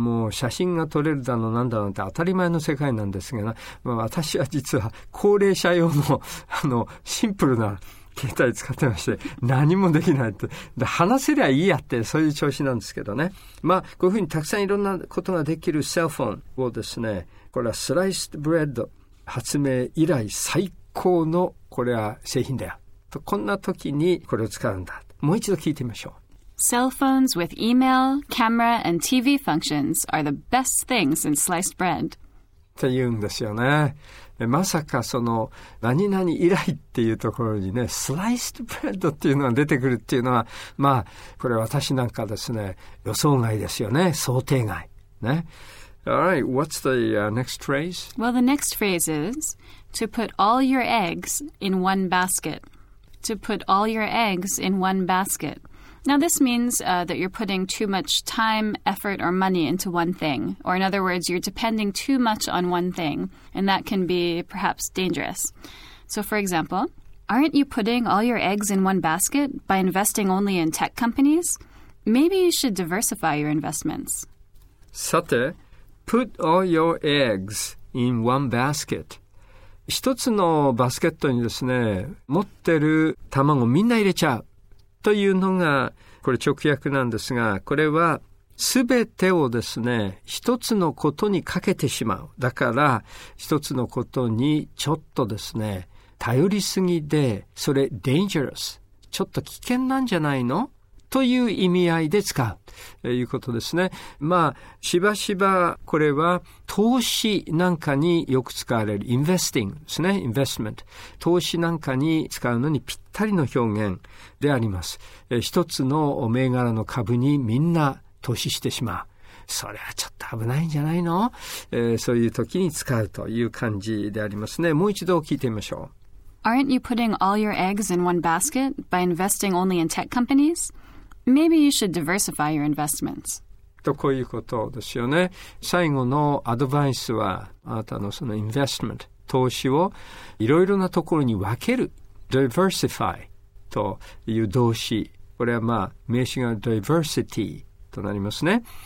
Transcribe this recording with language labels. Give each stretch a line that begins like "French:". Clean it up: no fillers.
Japanese: もう写真が撮れるだのなんだなんて当たり前の世界なんですが、まあ、私は実は高齢者用のあのシンプルな携帯使ってまして何もできないって、話せりゃいいやってそういう調子なんですけどね。まあこういうふうにたくさんいろんなことができるセルフォンをですね、これはスライスブレッド発明以来最高のこれは製品だよと、こんな時にこれを使うんだ。もう一度聞いてみましょう。
English: Cell phones with email, camera, and TV functions are the best things since sliced bread.
Japanese: って言うんですよね。まさかその何々以来っていうところにね、
English: sliced bread
Japanese: っていうのが出てくるっていうのは、まあこれ私なんかですね、予想外ですよね、想定外ね。
English: All right, what's the next phrase? Well, the next phrase is to put all your eggs in one basket. To put all your eggs in one basket. Now, this means that you're putting too much time, effort, or money into one thing. Or in other words, you're depending too much on one thing, and that can be perhaps dangerous. So, for example, aren't you putting all your eggs in one basket by investing only in tech companies? Maybe you should diversify your investments.
Japanese: さて、
English: put all your eggs in one basket.
Japanese: 一つのバスケットにですね、持ってる卵みんな入れちゃう。というのが、これ直訳なんですが、これは、すべてをですね、一つのことにかけてしまう。だから、一つのことにちょっとですね、頼りすぎで、それ、dangerous。ちょっと危険なんじゃないの?という意味合いで使う。ということですね。まあ、しばしば、これは、投資なんかによく使われる。 investing ですね。investment。投資なんかに使うのにぴったりの表現であります。一つの銘柄の株にみんな投資してしまう。それはちょっと危ないんじゃないの?そういう時に使うという感じでありますね。もう一度聞いてみましょう。
English: Aren't you putting all your eggs in one basket by investing only in tech companies? Maybe you should diversify your investments.
Japanese: とこういうことですよね。最後のアドバイスは、あなたのそのインベストメント、投資をいろいろなところに分ける。 diversify という動詞。これはまあ名詞が diversity となりますね。